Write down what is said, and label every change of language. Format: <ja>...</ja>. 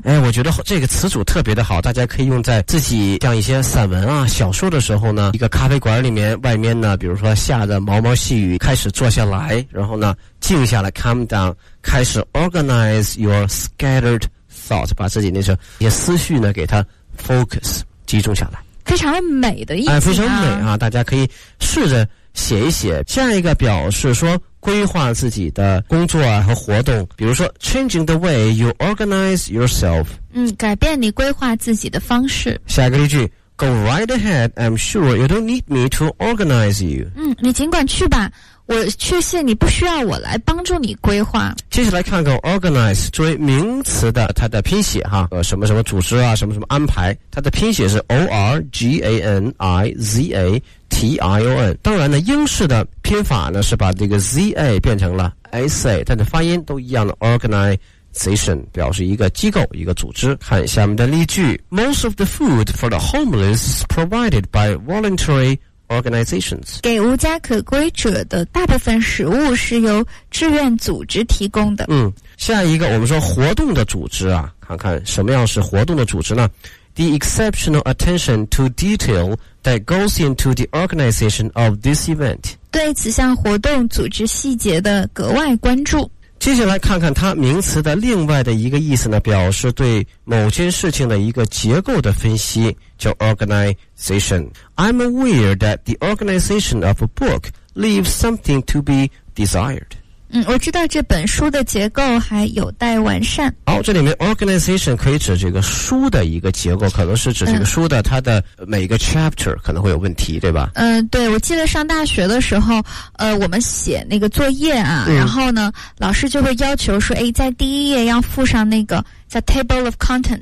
<zh>哎，我觉得这个词组特别的好，大家可以用在自己像一些散文啊小说的时候呢，一个咖啡馆里面外面呢比如说下的毛毛细雨，开始坐下来，然后呢静下来</zh> <en>calm down,</en> <zh>开始</zh> <en>organize your scattered thoughts,</en> <zh>把自己那些一些思绪呢给它 focus, 集中下来。非常美的意思、非常美啊，大家可以试着写一写。下一个表示说规划自己的工作和活动，比如说</zh> <en>changing the way you organize yourself,</en> <zh>改变你规划自己的方式。下一个例句</zh> <en>go right ahead, I'm sure you don't need me to organize you,</en> <zh>你尽管去吧，我确信你不需要我来帮助你规划。接下来看看 organize 作为名词的它的拼写哈，什么什么组织啊，什么什么安排，它的拼写是 O-R-G-A-N-I-Z-A-T-I-O-N。当然呢英式的拼法呢是把这个 Z-A 变成了 S-A, 但是发音都一样的 organization 表示一个机构一个组织。看下面的例句</zh> <en>Most of the food for the homeless is provided by voluntary organizations.</en> <zh>给无家可归者的大部分食物是由志愿组织提供的。下一个我们说活动的组织啊，看看什么样是活动的组织呢？</zh> <en>The exceptional attention to detail that goes into the organization of this event.</en> <zh>对此项活动组织细节的格外关注。接下来看看它名词的另外的一个意思呢，表示对某件事情的一个结构的分析，叫 organization.</zh> <en>I'm aware that the organization of a book leaves something to be desired.</en> <zh>嗯，我知道这本书的结构还有待完善。好，这里面 organization 可以指这个书的一个结构，可能是指这个书的它的每一个 chapter 可能会有问题，对吧？嗯，对，我记得上大学的时候，我们写那个作业啊，然后呢，老师就会要求说，哎，在第一页要附上那个叫 table of contents。</zh>